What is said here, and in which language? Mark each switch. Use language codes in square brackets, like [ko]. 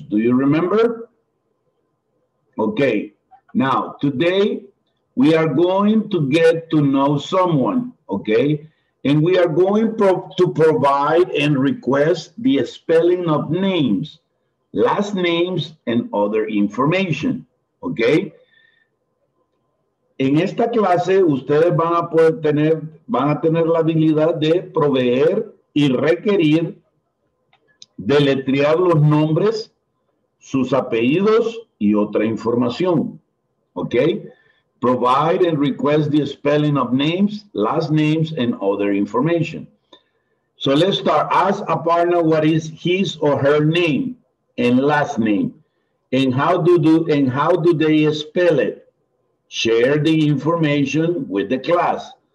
[en] Do you remember? Okay, now today we are going to get to know someone, okay? And we are going to provide and request the spelling of names, last names, and other information, okay? [es] En esta clase, ustedes van a poder tener, van a tener la habilidad de proveer y requerir deletrear los nombres, sus apellidos y otra información. ¿Ok? [en] Provide and request the spelling of names, last names, and other information. So let's start. Ask a partner what is his or her name and last name. And how do, how do they spell it? Share the information with the class.